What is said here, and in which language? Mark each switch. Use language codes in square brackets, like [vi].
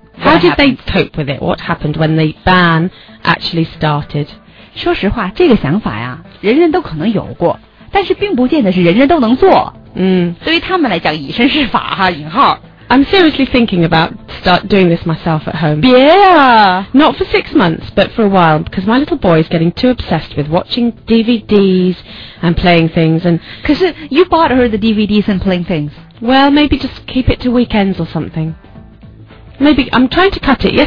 [en] How did they cope with it? What happened when the ban actually started? [zh] 说实话，这个想法呀，人人都可能有过，但是并不见得是人人都能做。对于他们来讲，以身试法哈，引号。 [en] I'm seriously thinking about start doing this myself at home. Yeah! Not for 6 months, but for a while, because my little boy is getting too obsessed with watching DVDs and playing things. Because you bought her the DVDs and playing things. Well, maybe just keep it to weekends or something. Maybe, I'm trying to cut it.